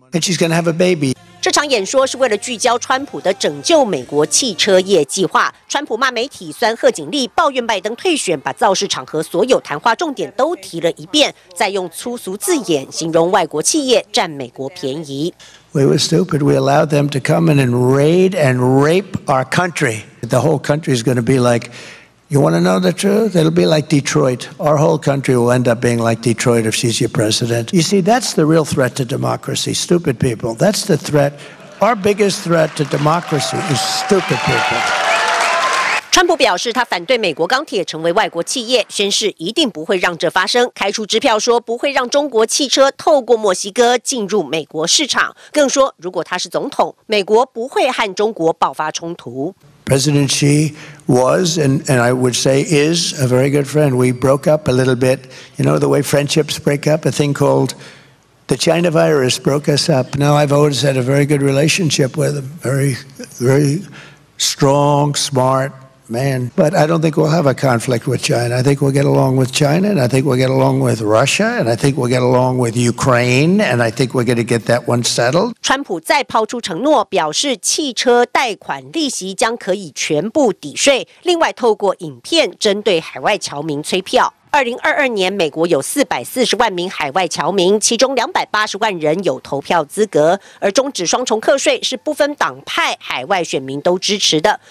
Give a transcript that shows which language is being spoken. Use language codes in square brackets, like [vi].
[en] And she's gonna have a baby。 [zh] 这场演说是为了聚焦川普的拯救美国汽车业计划。川普骂媒体，酸贺锦丽，抱怨拜登退选，把造势场合所有谈话重点都提了一遍，再用粗俗字眼形容外国企业占美国便宜。 [en] We were stupid. We allowed them to come in and raid and rape our country. The whole country is going to be like, you want to know the truth? It'll be like Detroit. Our whole country will end up being like Detroit if she's your president. You see, that's the real threat to democracy, stupid people. That's the threat. Our biggest threat to democracy is stupid people. [zh] 川普表示，他反对美国钢铁成为外国企业，宣誓一定不会让这发生，开出支票说不会让中国汽车透过墨西哥进入美国市场，更说如果他是总统，美国不会和中国爆发冲突。 [en] President Xi was, and I would say is, a very good friend. We broke up a little bit. You know the way friendships break up? A thing called the China virus broke us up. Now I've always had a very good relationship with him. Very, very strong, smart man. But I don't think we'll have a conflict with China. I think we'll get along with China, and I think we'll get along with Russia, and I think we'll get along with Ukraine, and I think we're going to get that one settled. [zh] 川普再抛出承诺，表示汽车贷款利息将可以全部抵税，另外透过影片针对海外侨民催票。 2022年，美国有440万名海外侨民，其中280万人有投票资格。而终止双重课税是不分党派，海外选民都支持的。